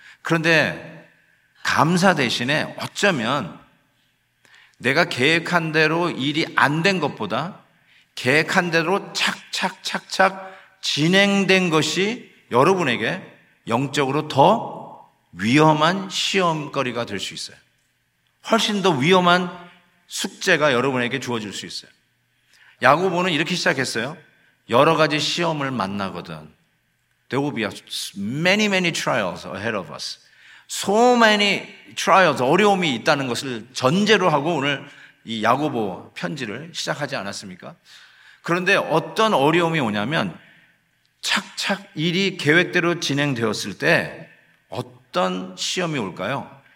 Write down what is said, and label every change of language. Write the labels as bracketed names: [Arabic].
[Korean] 그런데 감사 대신에 어쩌면 내가 계획한 대로 일이 안 된 것보다 계획한 대로 착착착착 진행된 것이 여러분에게 영적으로 더 위험한 시험거리가 될 수 있어요. 훨씬 더 위험한 숙제가 여러분에게 주어질 수 있어요. 야고보는 이렇게 시작했어요. 여러 가지 시험을 만나거든. [English] There will be many, many trials ahead of us. So many trials, [Korean] 어려움이 있다는 것을 전제로 하고 오늘 이 야고보 편지를 시작하지 않았습니까? 그런데 어떤 어려움이 오냐면 착착 일이 계획대로 진행되었을 때 어떤 시험이 올까요?